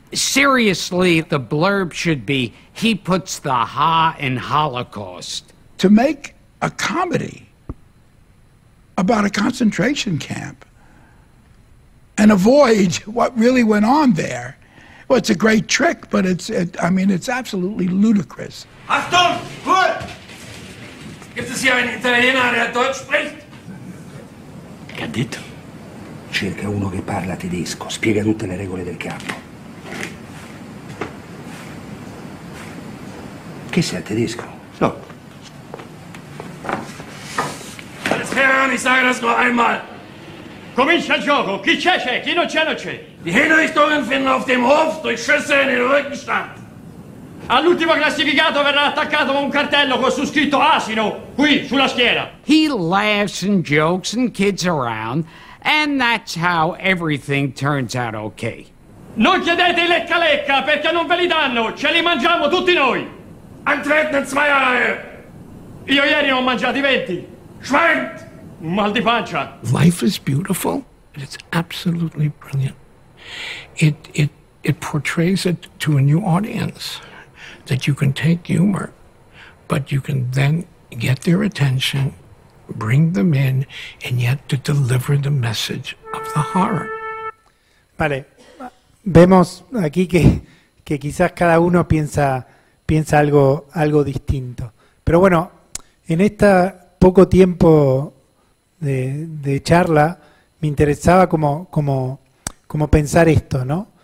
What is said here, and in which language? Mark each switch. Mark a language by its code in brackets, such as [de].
[en] Seriously, the blurb should be, he puts the ha in Holocaust. To make a comedy about a concentration camp and avoid what really went on there. Well, it's a great trick, but it's absolutely ludicrous. [de] Achtung! Gut! Gibt es hier einen Italiener, der Deutsch spricht? [it] Che ha detto? Cerca uno che parla tedesco, spiega tutte le regole del campo. Che sei tedesco? No. [de] Ich sage das nur einmal. Komm ich ins Joko, Kitscheche, Kinochenoche. Die Hinrichtungen finden auf dem Hof durch Schüsse in den Rücken statt. [it] All'ultimo classificato verrà attaccato con un cartello con su scritto asino, qui, sulla schiena. [en] He laughs and jokes and kids around, and that's how everything turns out okay. [it] Non chiedete i lecca lecca, perché non ve li danno, ce li mangiamo tutti noi. [de] Antreten zwei Reihe. [it] Io ieri ne ho mangiati 20. [de] Schweigt! [it] Mal di pancia. [en] Life is beautiful, and it's absolutely brilliant. It portrays it to a new audience, that you can take humor, but you can then get their attention, bring them in, and yet to deliver the message of the horror. [es] Vale. Vemos aquí que quizás cada uno piensa algo distinto. Pero bueno, en este poco tiempo de charla me interesaba como pensar esto, ¿no?